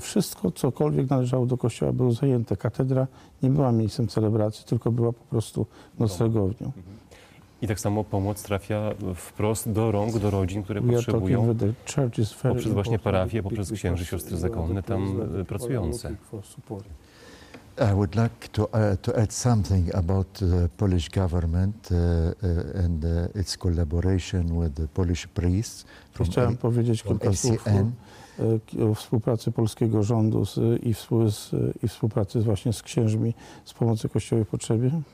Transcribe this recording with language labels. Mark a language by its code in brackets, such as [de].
[pl] Wszystko, cokolwiek należało do kościoła, było zajęte. Katedra nie była miejscem celebracji, tylko była po prostu noclegownią. I tak samo pomoc trafia wprost do rąk, do rodzin, które potrzebują. Poprzez właśnie parafię, poprzez księży, siostry zakonne tam pracujące. [en] I would like to add something about the Polish government and its collaboration with the Polish priests from ACN. [pl] Chciałem powiedzieć kilka słów o współpracy polskiego rządu i współpracy właśnie z księżmi z pomocy Kościoła w potrzebie.